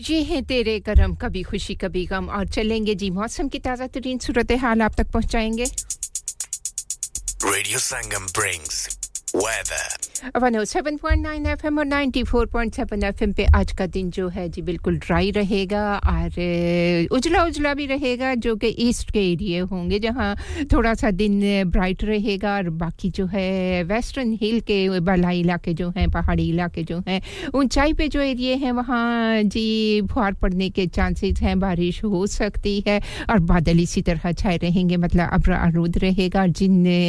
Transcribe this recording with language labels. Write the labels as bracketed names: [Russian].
[Urdu] ہیں تیرے کرم کبھی خوشی کبھی غم اور چلیں گے جی موسم کی تازہ ترین صورتحال آپ تک پہنچائیں گے [English] Radio Sangam brings weather [Urdu] 107.9 FM اور 94.7 FM پہ آج کا دن جو ہے جی بالکل ڈرائی رہے گا اور اجلا اجلا بھی رہے گا جو کہ ایسٹ کے ایریے ہوں گے جہاں تھوڑا سا دن برائٹ رہے گا اور باقی جو ہے ویسٹرن ہل کے بالائی علاقے جو ہیں پہاڑی علاقے جو ہیں اونچائی پہ جو ایریے ہیں وہاں جی پھوار پڑنے کے چانسز ہیں بارش ہو سکتی ہے اور بادل اسی طرح چھائے رہیں گے مطلب ابر آلود رہے گا اور جن